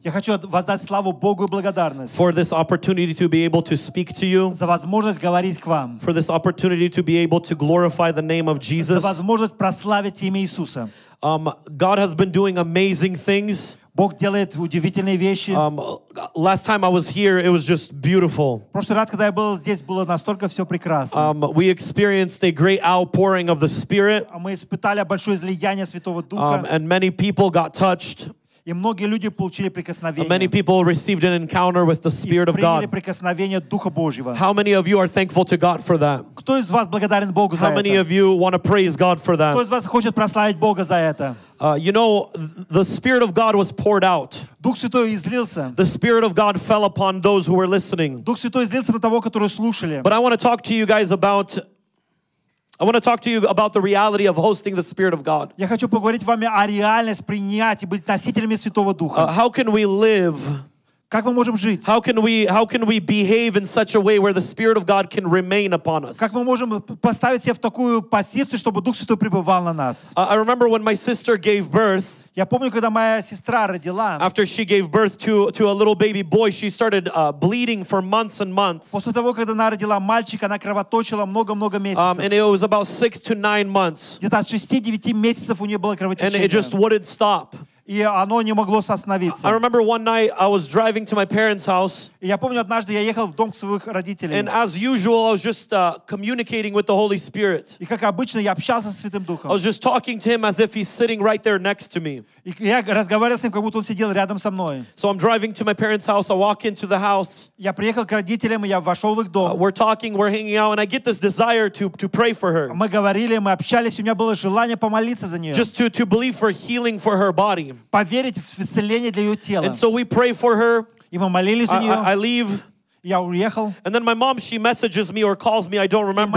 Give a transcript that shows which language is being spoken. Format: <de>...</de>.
<ru>Я хочу воздать славу Богу и благодарность.</ru> <en>For this opportunity to be able to speak to you.</en> <ru>За возможность говорить к вам.</ru> <en>For this opportunity to be able to glorify the name of Jesus.</en> <ru>За возможность прославить имя Иисуса.</ru> <en>God has been doing amazing things.</en> <ru>Бог делает удивительные вещи.</ru> <en>Last time I was here, it was just beautiful.</en> <ru>В прошлый раз, когда я был здесь, было настолько все прекрасно.</ru> <en>We experienced a great outpouring of the Spirit.</en> <ru>Мы испытали большое излияние Святого Духа.</ru> <en>And many people got touched.</en> <ru>И многие люди получили прикосновение.</ru> <en>Many people received an encounter with the Spirit of God.</en> <ru>И приняли прикосновение Духа Божьего.</ru> <en>How many of you are thankful to God for that?</en> <ru>Кто из вас благодарен Богу за это?</ru> <en>How many of you want to praise God for that?</en> <ru>Кто из вас хочет прославить Бога за это?</ru> <en>You know, the Spirit of God was poured out.</en> <ru>Дух Святой излился.</ru> <en>The Spirit of God fell upon those who were listening.</en> <ru>Дух Святой излился на того, которые слушали.</ru> <en>But I want to talk to you guys about. I want to talk to you about the reality of hosting the Spirit of God.</en> <ru>Я хочу поговорить вам о реальности принять и быть носителями Святого Духа.</ru> <en>How can we live?</en> <ru>Как мы можем жить?</ru> <en>How can we behave in such a way where the Spirit of God can remain upon us?</en> <ru>Как мы можем поставить себя в такую позицию, чтобы Дух Святой пребывал на нас?</ru> <en>I remember when my sister gave birth.</en> <ru>Я помню, когда моя сестра родила.</ru> <en>After she gave birth to a little baby boy, she started bleeding for months and months.</en> <ru>После того, когда она родила мальчика, она кровоточила много-много месяцев.</ru> <en>And it was about 6 to 9 months.</en> <ru>Где-то от 6-9 месяцев у нее было кровотечение.</ru> <en>And it just wouldn't stop.</en> <ru>И оно не могло остановиться.</ru> <en>I remember one night I was driving to my parents' house.</en> <ru>Я помню, однажды я ехал в дом к своих родителей.</ru> <en>And as usual, I was just communicating with the Holy Spirit.</en> <ru>И как обычно, я общался со Святым Духом.</ru> <en>I was just talking to him as if he's sitting right there next to me.</en> <ru>И я разговаривал с ним, как будто он сидел рядом со мной.</ru> <en>So I'm driving to my parents' house. I walk into the house.</en> <ru>Я приехал к родителям, и я вошел в их дом.</ru> <en>We're talking, we're hanging out, and I get this desire to pray for her.</en> <ru>Мы говорили, мы общались, у меня было желание помолиться за нее.</ru> <en>Just to believe for healing for her body.</en> <ru>Поверить в исцеление для ее тела.</ru> <en>And so we pray for her.</en> <ru>И мы молились за нее.</ru> <en>I leave.</en> <ru>Я уехал.</ru> <en>And then my mom, she messages me or calls me, I don't remember.</en>